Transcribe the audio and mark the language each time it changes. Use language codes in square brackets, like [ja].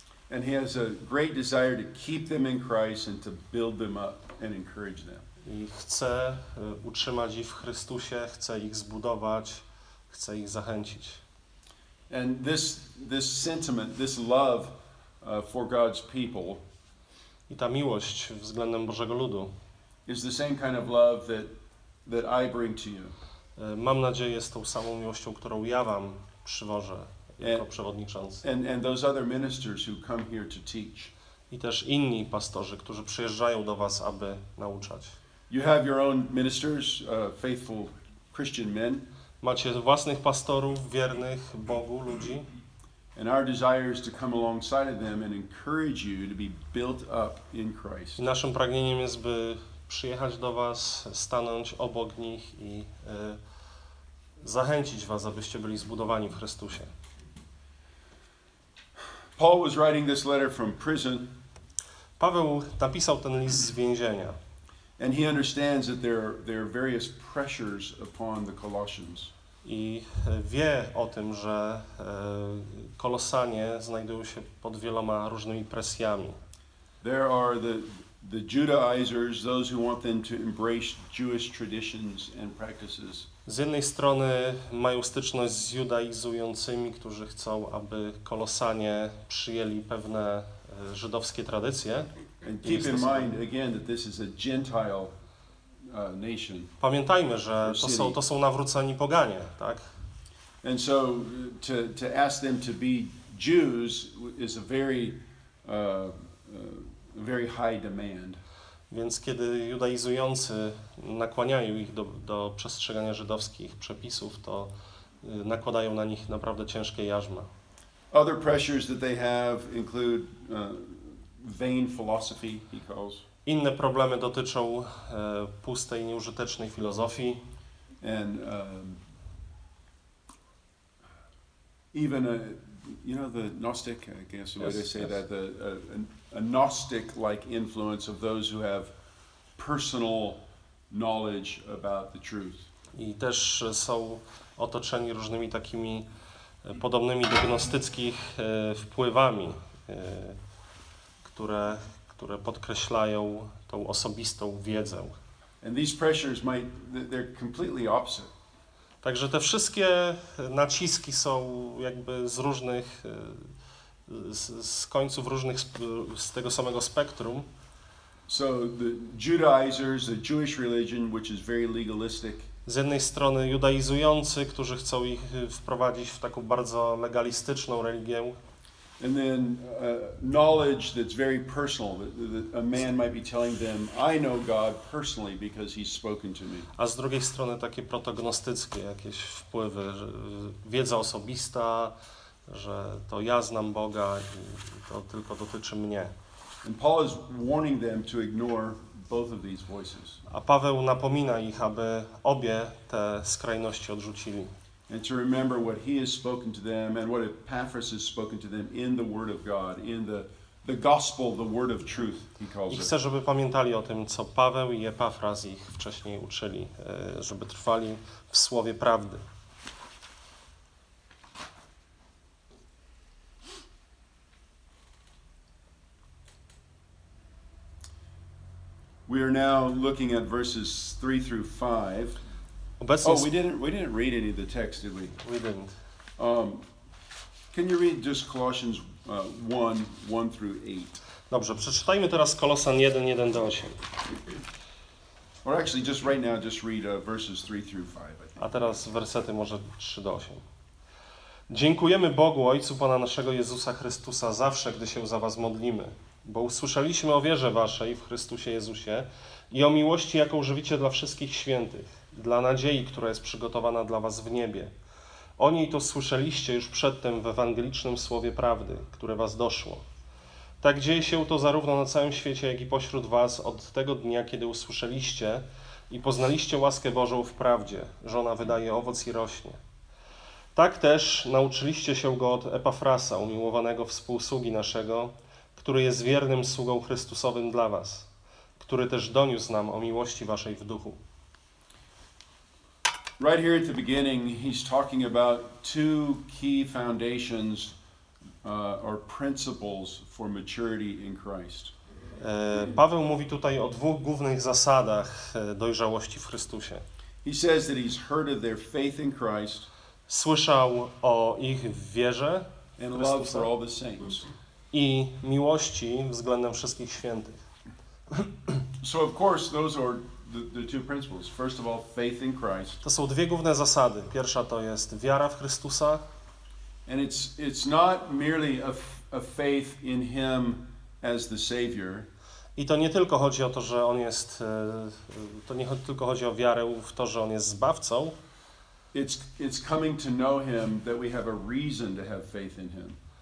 [en] And he has a great desire to keep them in Christ and to build them up and encourage them. [pl] I chce utrzymać ich w Chrystusie, chce ich zbudować, chce ich zachęcić. [en] And this sentiment, this love for God's people. [pl] I ta miłość względem Bożego ludu. [en] Is the same kind of love that I bring to you. [pl] Mam nadzieję, jest tą samą miłością, którą ja wam przywożę jako przewodniczący. [en] And those other ministers who come here to teach. [pl] I też inni pastorzy, którzy przyjeżdżają do was, aby nauczać. [en] You have your own ministers, faithful Christian men. [pl] Macie własnych pastorów, wiernych Bogu ludzi. [en] And our desire is to come alongside of them and encourage you to be built up in Christ. [pl] I naszym pragnieniem jest, by przyjechać do was, stanąć obok nich i zachęcić was, abyście byli zbudowani w Chrystusie. [en] Paul was writing this letter from prison. [pl] Paweł napisał ten list z więzienia. [en] And he understands that there are various pressures upon the Colossians. [pl] I wie o tym, że Kolosanie znajdują się pod wieloma różnymi presjami. [en] There are the Judaizers, those who want them to embrace Jewish traditions and practices. [pl] Z jednej strony mają styczność z judaizującymi, którzy chcą, aby Kolosanie przyjęli pewne żydowskie tradycje. [en] And keep in mind again that this is a Gentile nation. [pl] Pamiętajmy, że to są nawróceni poganie, tak? [en] And so to ask them to be Jews is a very very high demand. [pl] Więc kiedy judaizujący nakłaniają ich do przestrzegania żydowskich przepisów, to nakładają na nich naprawdę ciężkie jarzma. [en] Other pressures that they have include vain philosophy, he calls. [pl] Inne problemy dotyczą pustej, nieużytecznej filozofii. [en] And even a, you know, the Gnostic, I guess the way they say that, a Gnostic-like influence of those who have personal knowledge about the truth. [pl] I też są otoczeni różnymi takimi podobnymi do gnostyckich wpływami, które które podkreślają tą osobistą wiedzę. [en] And these pressures might, they're completely opposite. [pl] Także te wszystkie naciski są jakby z różnych, z końców różnych, z tego samego spektrum. [en] So the Judaizers, the Jewish religion, which is very legalistic. [pl] Z jednej strony judaizujący, którzy chcą ich wprowadzić w taką bardzo legalistyczną religię. [en] And then knowledge that's very personal, that a man might be telling them, I know God personally because he's spoken to me. [pl] A z drugiej strony takie protognostyckie jakieś wpływy, wiedza osobista, że to ja znam Boga i to tylko dotyczy mnie. [en] And Paul is warning them to ignore both of these voices. [pl] A Paweł napomina ich, aby obie te skrajności odrzucili. [en] And to remember what he has spoken to them and what Epaphras has spoken to them in the word of God, in the gospel, the word of truth, he calls it. [pl] I chcę, żeby pamiętali o tym, co Paweł i Epafras ich wcześniej uczyli, żeby trwali w słowie prawdy. [en] We are now looking at verses 3 through 5. [pl] Obecnie [en] we didn't read any of the text, did we? We didn't. Can you read just Colossians 1 through 8? [pl] Dobrze, przeczytajmy teraz Kolosan 1, 1 do 8. [en] Or actually, just right now, just read verses 3 through 5, I think. [pl] A teraz wersety może 3 do 8. Dziękujemy Bogu, Ojcu Pana naszego Jezusa Chrystusa, zawsze, gdy się za was modlimy, bo usłyszeliśmy o wierze waszej w Chrystusie Jezusie i o miłości, jaką żywicie dla wszystkich świętych, dla nadziei, która jest przygotowana dla was w niebie. O niej to słyszeliście już przedtem w ewangelicznym słowie prawdy, które was doszło. Tak dzieje się to zarówno na całym świecie, jak i pośród was od tego dnia, kiedy usłyszeliście i poznaliście łaskę Bożą w prawdzie, że ona wydaje owoc i rośnie. Tak też nauczyliście się go od Epafrasa, umiłowanego współsługi naszego, który jest wiernym sługą Chrystusowym dla was, który też doniósł nam o miłości waszej w duchu. [en] Right here at the beginning, he's talking about two key foundations or principles for maturity in Christ. [pl] Paweł mówi tutaj o dwóch głównych zasadach dojrzałości w Chrystusie. [en] He says that he's heard of their faith in Christ. [pl] Słyszał o ich wierze [en] and love for all the saints. [pl] I miłości względem wszystkich świętych. [en] So of course those are the two principles. First of all, faith in Christ. [pl] To są dwie główne zasady. Pierwsza to jest wiara w Chrystusa. [en] And it's not merely a faith in him as the Savior. [pl] I to nie tylko chodzi o to, że on jest, to nie tylko chodzi o wiarę w to, że on jest zbawcą. [en] It's coming to know him that we have a reason to have faith in him.